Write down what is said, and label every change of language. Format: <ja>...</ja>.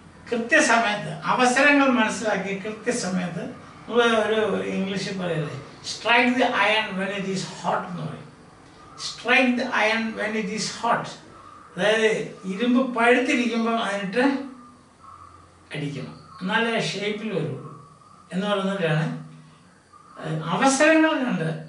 <ml>കൃത്യസമയത്ത് അവസരങ്ങൾ മനസ്സിലാക്കി കൃത്യസമയത്ത് ഒരു ഇംഗ്ലീഷ് പറയല്ലേ,</ml> <en>strike the iron when it is hot</en> <ml>എന്ന് പറയും.</ml> <en>Strike the iron when it is hot.</en> <ml>അതായത് ഇരുമ്പ് പഴുത്തിരിക്കുമ്പോൾ അതിനിട്ട് അടിക്കണം, എന്നാലേ ഷേപ്പിൽ വരുള്ളൂ എന്ന് പറഞ്ഞിട്ടാണ് അവസരങ്ങൾ കണ്ട്.</ml>